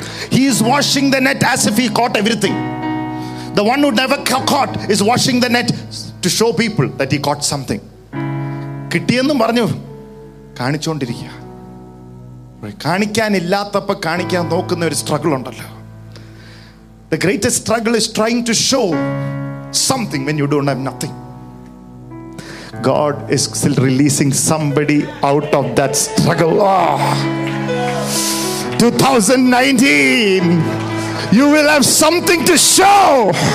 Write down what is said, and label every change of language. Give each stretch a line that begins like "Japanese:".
English: He is washing the net as if he caught everything. The one who never caught is washing the net to show people that he caught something.
Malayalam: കിട്ടിയെന്നും പറഞ്ഞു കാണിച്ചുകൊണ്ടിരിക്കുക. കാണിക്കാനില്ലാത്തപ്പോൾ കാണിക്കാൻ നോക്കുന്ന ഒരു struggle ഉണ്ടല്ലോ.
English: The greatest struggle is trying to show something when you don't have nothing. God is still releasing somebody out of that struggle. Oh, 2019. You will have something to show.